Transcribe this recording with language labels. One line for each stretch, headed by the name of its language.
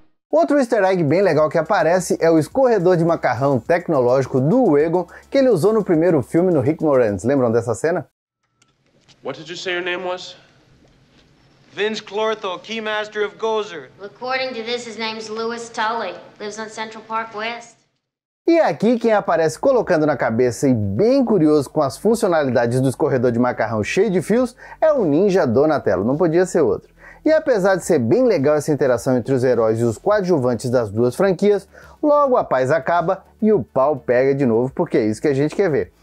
Portuguese: Outro easter egg bem legal que aparece é o escorredor de macarrão tecnológico do Egon que ele usou no primeiro filme no Rick Moranis. Lembram dessa cena?
English: What did you say your name was? Vince Clortho, Keymaster of Gozer. According to this, his name's Lewis Tully. Lives on Central Park West.
Portuguese: E aqui quem aparece colocando na cabeça e bem curioso com as funcionalidades do escorredor de macarrão cheio de fios é o ninja Donatello, não podia ser outro. E apesar de ser bem legal essa interação entre os heróis e os coadjuvantes das duas franquias, logo a paz acaba e o pau pega de novo, porque é isso que a gente quer ver.